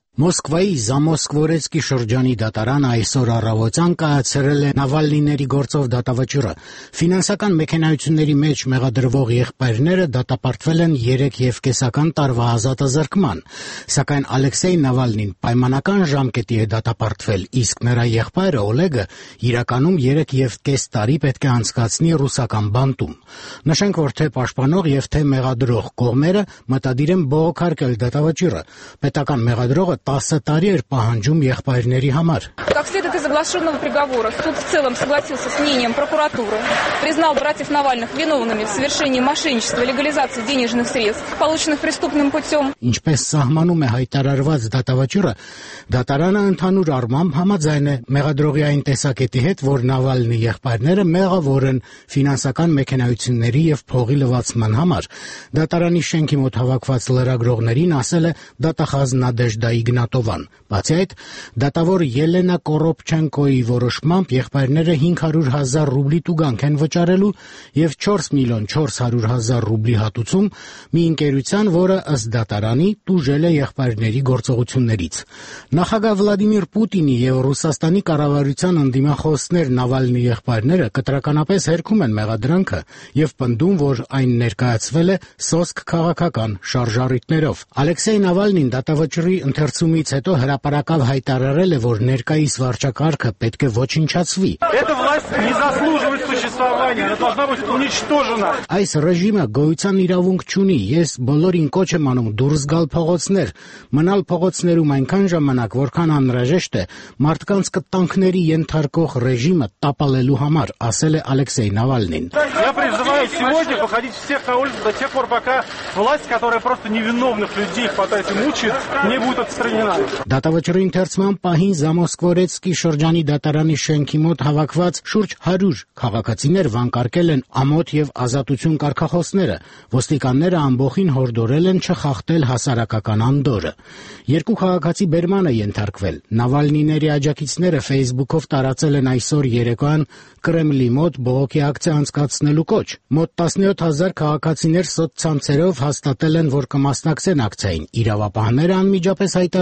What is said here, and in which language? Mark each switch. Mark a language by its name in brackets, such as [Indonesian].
[Armenian] Մոսկվայի Զամոսկվորեցկի շրջանի դատարան այսօր առավոտյան կայացրել է Նավալնիների գործով դատավճիռը։ Ֆինանսական մեխանիզմների մեջ մեղադրվող եղբայրները դատապարտվել են 3.5 տարվա ազատազրկման, սակայն Ալեքսեյ Նավալնին պայմանական ժամկետի է դատապարտվել, իսկ նրա եղբայրը Օլեգը իրականում 3.5 տարի պետք է անցկացնի ռուսական բանտում։ Նշենք, որ թե պաշտպանող և թե մեղադրող կողմերը մտադիր են բողոքարկել դատավճիռը։ Պետական մեղադրող 10 տարի էր պահանջում եղբայրների համար։ [Russian] Соглашённого приговора. Суд в целом согласился с мнением прокуратуры, признал братьев Навальных виновными в совершении мошенничества, легализации денежных средств, полученных преступным путём. [Armenian] Ինչպես սահմանում է հայտարարված դատավճիռը, դատարանը ընդհանուր առմամբ համաձայն է մեղադրողի այն տեսակետի հետ, որ Նավալնի եղբայրները մեղավոր են ֆինանսական մեխանիզմների եւ փողի լվացման համար։ Դատարանի շենքի մոտ հավաքված լրագրողներին ասել է դատախազ Նադեժդա Իգնատովան։ Բացի այդ, դատավոր Ելենա Կորոպ Չենկոյի որոշմամբ եղբայրները 500 000 ռուբլի տուգանք են վճարելու և 4 400 000 ռուբլի հատուցում մի ընկերության, որը ըստ դատարանի տուժել է եղբայրների գործողություններից։ Նախագահ Վլադիմիր Պուտինի և Ռուսաստանի կառավարության ընդդիմախոսներ Նավալնի եղբայրները կտրականապես հերքում են մեղադրանքը և պնդում, որ այն ներկայացվել է սոսկ քաղաքական շարժառիթներով։ Ալեքսեյ Նավալնին դատավճիռի ընթերցումից հետո հրապարակալ հայտարարել է, որ ներկայիս Варчакарка պետք է ոչնչացվի։ [Russian] Эта власть не заслуживает существования, она должна быть уничтожена։ [Armenian] Այս ռեժիմը գոյության իրավունք չունի, ես բոլորին կոչ եմ անում դուրս գալ փողոցներ, մնալ փողոցներում այնքան ժամանակ, որքան անհրաժեշտ է մարդկանց կտանքների ենթարկող ռեժիմը տապալելու համար, ասել է Ալեքսեյ Նավալնին։ [Russian] Я призываю сегодня выходить всех на улицу до тех пор, пока власть, которая просто невиновных людей пытает и мучает, не будет отстранена։ [Armenian] Դատավճիռի ընթերցման պահին Զամոսկվայի Սկի շրջանի դատարանի շենքի մոտ հավաքված շուրջ 100 քաղաքացիներ վանկարկել են ամոթ և ազատություն կարգախոսները, ոստիկանները ամբողջին հորդորել են չխախտել հասարակական անդորը։ Երկու քաղաքացի բերմանը ենթարկվել։ Նավալնիների աջակիցները Facebook-ով տարածել են այսօր երեկոյան Կրեմլի մոտ բողոքի ակցիա անցկացնելու կոչ։ Մոտ 17,000 քաղաքացիներ սոցցանցերով հաստատել են, որ կմասնակցեն ակցիային։ Իրավապահները անմիջապես հայտարարել են,